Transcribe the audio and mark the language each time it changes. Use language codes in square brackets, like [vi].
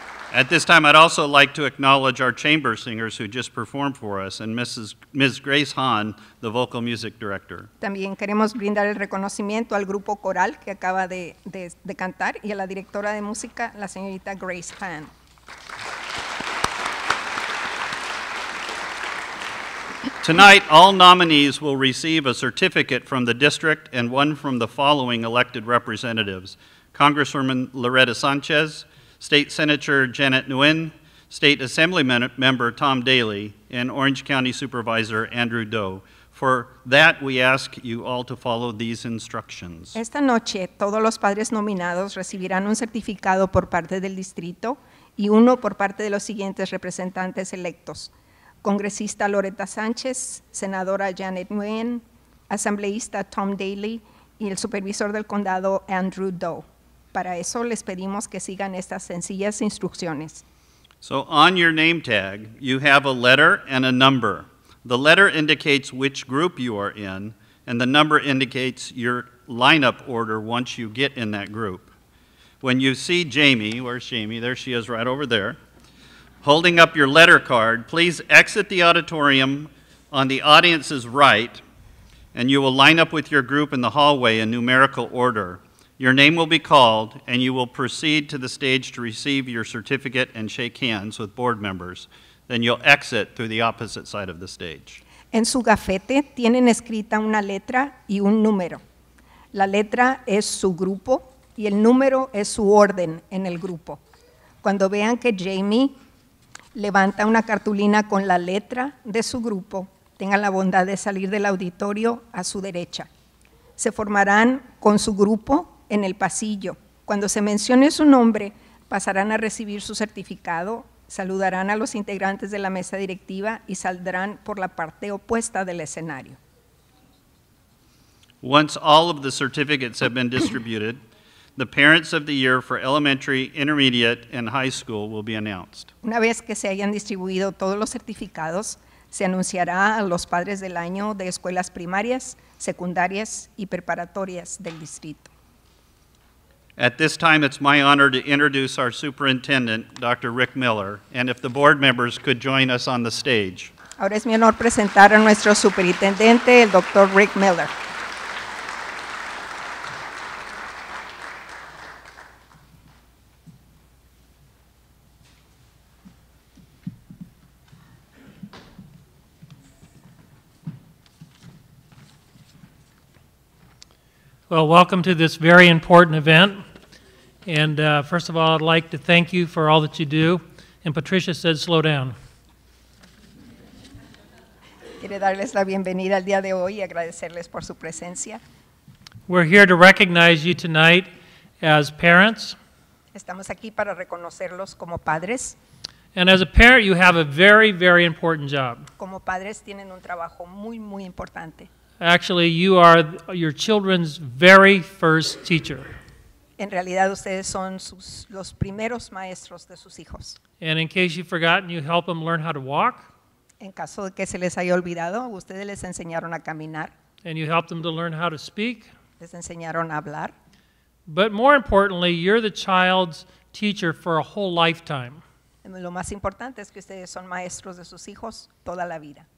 [en] At this time, I'd also like to acknowledge our chamber singers who just performed for us, and Ms. Grace Hahn, the vocal music director. [es] También queremos brindar el reconocimiento al grupo coral que acaba de cantar y a la directora de música, la señorita Grace Hahn. [en] Tonight, all nominees will receive a certificate from the district and one from the following elected representatives: Congresswoman Loretta Sanchez, State Senator Janet Nguyen, State Assembly Member Tom Daley, and Orange County Supervisor Andrew Doe. For that, we ask you all to follow these instructions. [es] Esta noche, todos los padres nominados recibirán un certificado por parte del distrito y uno por parte de los siguientes representantes electos: Congresista Loretta Sanchez, Senadora Janet Nguyen, Asambleísta Tom Daley y el Supervisor del Condado Andrew Doe. Para eso les pedimos que sigan estas sencillas instrucciones. [en] So on your name tag, you have a letter and a number. The letter indicates which group you are in, and the number indicates your lineup order once you get in that group. When you see Jamie, where's Jamie? There she is right over there, holding up your letter card, please exit the auditorium on the audience's right, and you will line up with your group in the hallway in numerical order. Your name will be called, and you will proceed to the stage to receive your certificate and shake hands with board members. Then you'll exit through the opposite side of the stage. [es] En su gafete tienen escrita una letra y un número. La letra es su grupo, y el número es su orden en el grupo. Cuando vean que Jamie levanta una cartulina con la letra de su grupo, tengan la bondad de salir del auditorio a su derecha. Se formarán con su grupo en el pasillo. Cuando se mencione su nombre, pasarán a recibir su certificado, saludarán a los integrantes de la mesa directiva y saldrán por la parte opuesta del escenario. [en] Once all of the certificates have been distributed, The parents of the year for elementary, intermediate, and high school will be announced. [es] Una vez que se hayan distribuido todos los certificados, se anunciará a los padres del año de escuelas primarias, secundarias, y preparatorias del distrito. [en] At this time, it's my honor to introduce our superintendent, Dr. Rick Miller, and if the board members could join us on the stage. [es] Ahora es mi honor presentar a nuestro superintendente, el Dr. Rick Miller. [en] Well, welcome to this very important event. And first of all, I'd like to thank you for all that you do. And Patricia said, slow down. [es] Quiero darles la bienvenida al día de hoy y agradecerles por su presencia. [en] We're here to recognize you tonight as parents. [es] Estamos aquí para reconocerlos como padres. [en] And as a parent, you have a very, very important job. [es] Como padres tienen un trabajo muy, muy importante. [en] Actually, you are your children's very first teacher. [es] En realidad, ustedes son sus, los primeros maestros de sus hijos. [en] And in case you've forgotten, you help them learn how to walk. [es] En caso de que se les haya olvidado, ustedes les enseñaron a caminar. [en] And you help them to learn how to speak. [es] Les enseñaron a hablar. [en] But more importantly, you're the child's teacher for a whole lifetime. [es] Lo más importante es que ustedes son maestros de sus hijos toda la vida.